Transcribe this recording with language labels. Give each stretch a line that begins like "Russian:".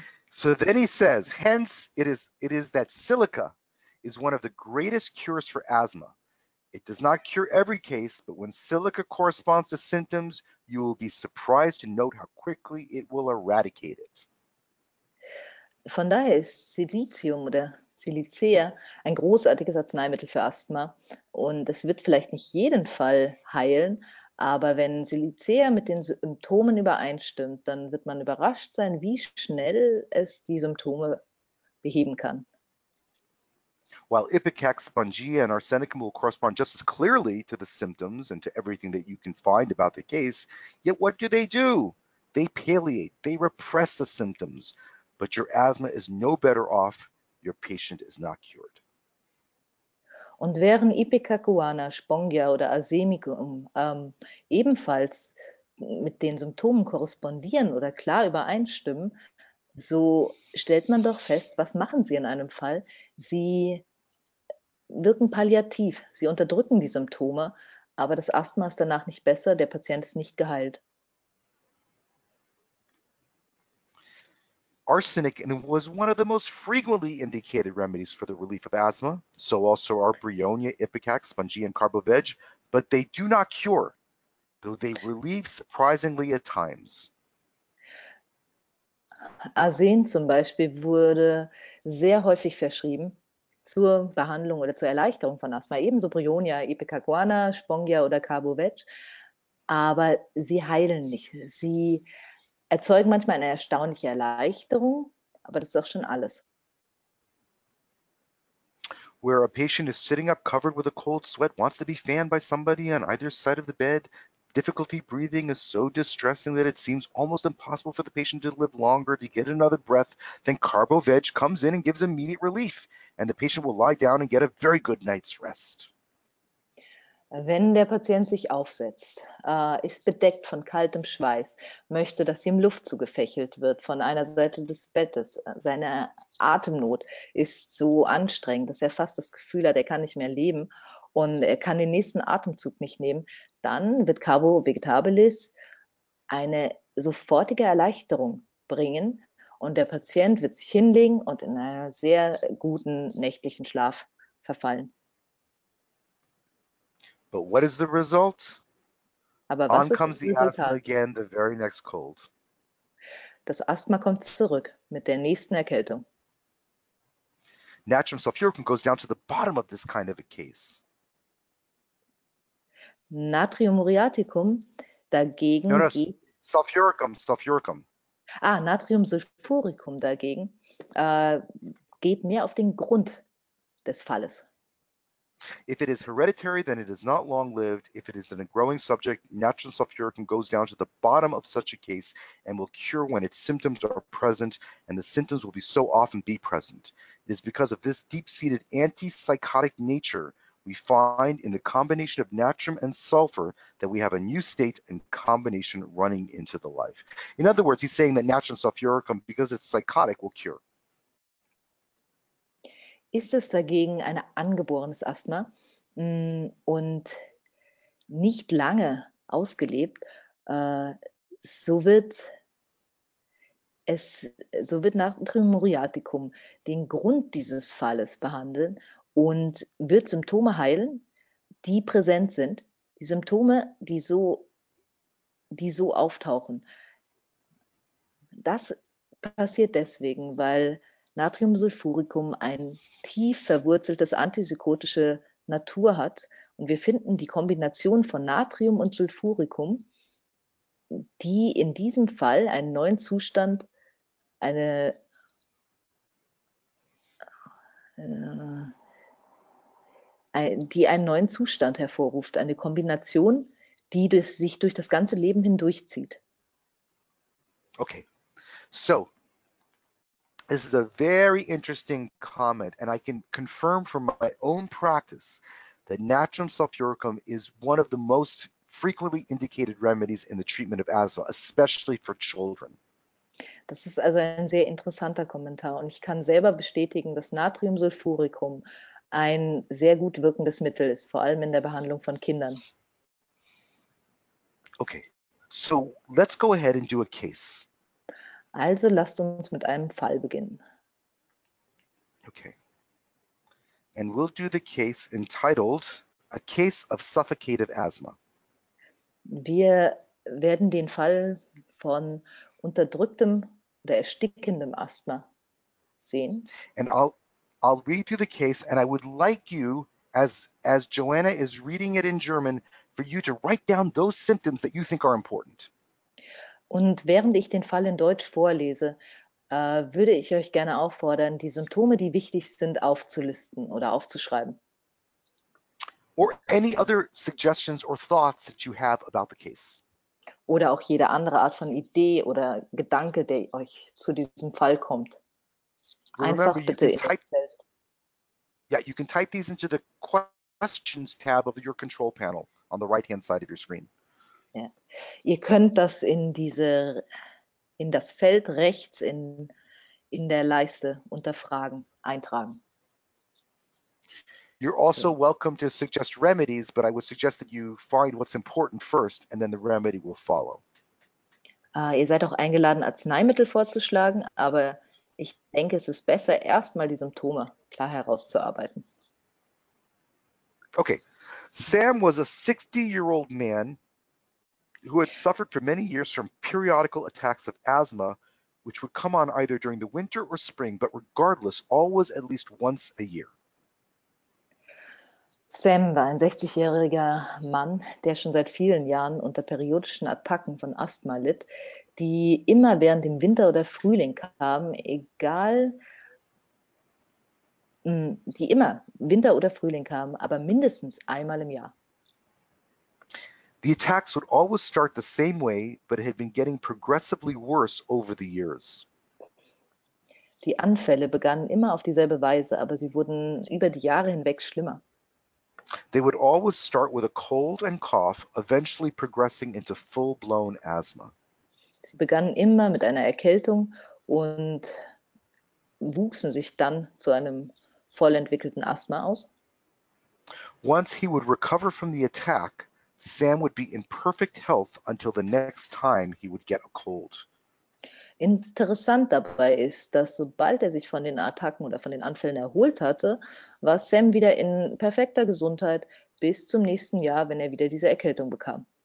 English: So then he says, hence it is that silica is one of the greatest cures for asthma. It does not cure every case, but when silica corresponds to symptoms, you will be surprised to note how quickly it will eradicate it.
German: Von daher ist Silizium oder Silicea ein großartiges Arzneimittel für Asthma. Und es wird vielleicht nicht jeden Fall heilen, aber wenn Silicea mit den Symptomen übereinstimmt, dann wird man überrascht sein, wie schnell es die Symptome beheben kann.
English: While Ipecac, Spongia, and Arsenicum will correspond just as clearly to the symptoms and to everything that you can find about the case, yet what do? They palliate, they repress the symptoms, but your asthma is no better off, your patient is not cured.
German: Und wären Ipecacuanha, Spongia oder Arsenicum ebenfalls mit den Symptomen korrespondieren oder klar übereinstimmen, so stellt man doch fest, was machen sie in einem Fall? Sie wirken palliativ, sie unterdrücken die Symptome, aber das Asthma ist danach nicht besser, der Patient ist nicht geheilt.
English: Arsenic was one of the most frequently indicated remedies for the relief of asthma. So also are bryonia, ipecac, spongia, and carbavej, but they do not cure, though they relieve surprisingly at times.
German: Arsen zum Beispiel wurde sehr häufig verschrieben zur Behandlung oder zur Erleichterung von Asthma. Ebenso Bryonia, Ipecacuanha, Spongia oder Carbavej. Aber sie heilen nicht. Sie erzeugen manchmal eine erstaunliche Erleichterung, aber das ist auch schon alles.
English: Where a patient is sitting up covered with a cold sweat, wants to be fanned by somebody on either side of the bed, difficulty breathing is so distressing that it seems almost impossible for the patient to live longer, to get another breath, then carbo-veg comes in and gives immediate relief, and the patient will lie down and get a very good night's rest.
German: Wenn der Patient sich aufsetzt, ist bedeckt von kaltem Schweiß, möchte, dass ihm Luft zugefächelt wird von einer Seite des Bettes, seine Atemnot ist so anstrengend, dass er fast das Gefühl hat, er kann nicht mehr leben und er kann den nächsten Atemzug nicht nehmen, dann wird Carbo Vegetabilis eine sofortige Erleichterung bringen und der Patient wird sich hinlegen und in einen sehr guten nächtlichen Schlaf verfallen.
English: But what is the result?
German: Aber was
English: On
German: ist
English: comes
German: das
English: the asthma
German: Resultat?
English: again the very next cold.
German: Das Asthma kommt zurück mit der nächsten Erkältung.
English: Natrium sulfuricum goes down to the bottom of this kind of a case.
German: Natriumuriaticum
English: No,
German: dagegen geht.
English: sulfuricum.
German: Natriumsulfuricum dagegen geht mehr auf den Grund des Falles.
English: If it is hereditary, then it is not long lived. If it is in a growing subject, natural sulfuricum goes down to the bottom of such a case and will cure when its symptoms are present, and the symptoms will be so often be present. It is because of this deep-seated antipsychotic nature we find in the combination of natrium and sulfur that we have a new state and combination running into the life. In other words, he's saying that natural sulfuricum, because it's psychotic, will cure.
German: Ist es dagegen ein angeborenes Asthma und nicht lange ausgelebt, so wird Natriumuriaticum den Grund dieses Falles behandeln und wird Symptome heilen, die präsent sind, die Symptome, die so auftauchen. Das passiert deswegen, weil Natriumsulfuricum ein tief verwurzeltes antipsychotische Natur hat und wir finden die Kombination von Natrium und Sulfuricum die in diesem Fall einen neuen Zustand, die einen neuen Zustand hervorruft, eine Kombination, die das sich durch das ganze Leben hindurchzieht.
English: Okay, so this is a very interesting comment, and I can confirm from my own practice that natron sulfuricum is one of the most frequently indicated remedies in the treatment of asthma, especially for children.
German: Das ist also ein sehr interessanter Kommentar und ich kann selber bestätigen, dass Natriumsulfuricum ein sehr gut wirkendes Mittel ist, vor allem in der Behandlung von Kindern.
English: Okay. So let's go ahead and do a case.
German: Also lasst uns mit einem Fall beginnen.
English: Okay. And we'll do the case entitled A Case of Suffocative Asthma.
German: Wir werden den Fall von unterdrücktem oder erstickendem Asthma sehen.
English: And I'll read through the case, and I would like you, as Joanna is reading it in German, for you to write down those symptoms that you think are important.
German: Und während ich den Fall in Deutsch vorlese, würde ich euch gerne auffordern, die Symptome, die wichtig sind, aufzulisten oder aufzuschreiben.
English: Or any other suggestions or thoughts that you have about the case.
German: Oder auch jede andere Art von Idee oder Gedanke, der euch zu diesem Fall kommt.
English: Remember,
German: Einfach
English: you
German: bitte
English: can
German: in das
English: type.
German: Feld.
English: Yeah, you can type these into the questions tab of your control panel on the right-hand side of your screen.
German: Ja. Ihr könnt das in diese, in das Feld rechts in der Leiste unter Fragen eintragen.
English: You're also
German: So.
English: welcome to suggest remedies, but I would suggest that you find what's important first and then the remedy will follow.
German: Ihr seid auch eingeladen, Arzneimittel vorzuschlagen, aber ich denke, es ist besser, erstmal die Symptome klar herauszuarbeiten.
English: Okay, Sam was a 60-year-old man who had suffered for many years from periodical attacks of asthma, which would come on either during the winter or spring, but regardless, always at least once a year.
German: Sam war ein 60-jähriger Mann, der schon seit vielen Jahren unter periodischen Attacken von Asthma litt, die immer während dem Winter oder Frühling kamen, egal, die immer Winter oder Frühling kamen, aber mindestens einmal im Jahr.
English: The attacks would always start the same way, but it had been getting progressively worse over the years.
German: Die Anfälle begannen immer auf dieselbe Weise, aber sie wurden über die Jahre hinweg schlimmer.
English: They would always start with a cold and cough, eventually progressing into full-blown asthma.
German: Sie begannen immer mit einer Erkältung und wuchsen sich dann zu einem vollentwickelten Asthma aus.
English: Once he would recover from the attack, Sam would be in perfect health until the next time he would get a cold.
German: Interessant dabei ist, dass sobald er sich von den Attacken oder von den Anfällen erholt hatte, war Sam wieder in perfekter Gesundheit bis zum nächsten Jahr, wenn er wieder diese Erkältung bekam.